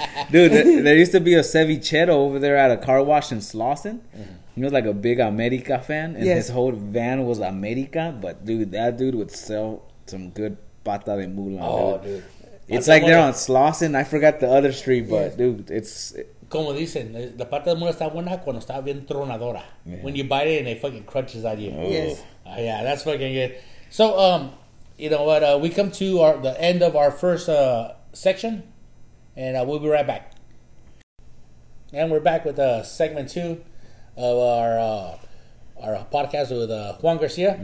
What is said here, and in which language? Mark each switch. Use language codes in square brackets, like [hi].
[en] Dude, there used to be a cevichero over there at a car wash in Slauson. Mm-hmm. He was like a big America fan. And his whole van was America. But, dude, that dude would sell some good pata de mula. Oh, dude. It's like they're on Slauson. I forgot the other street, but, dude, it's... [es] Como dicen, la pata de mula está buena cuando está bien tronadora. [en] Yeah. When you bite it and it fucking crunches at you. Yes. Yeah, that's fucking good. So, you know what? We come to the end of our first section, and we'll be right back. And we're back with segment two of our podcast with Juan Garcia.